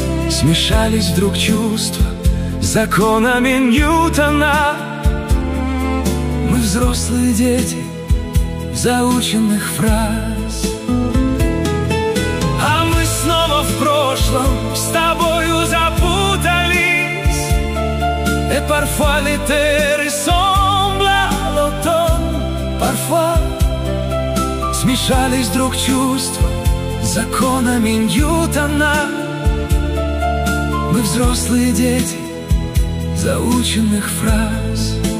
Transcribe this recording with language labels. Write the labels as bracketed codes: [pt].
[ru] Смешались вдруг чувства с законами Ньютона. Взрослые дети заученных фраз. А мы снова в прошлом с тобою запутались. [fr] Et parfois l'été ressemble à l'automne. Parfois [ru] смешались вдруг чувства с законами Ньютона. Мы взрослые дети заученных фраз.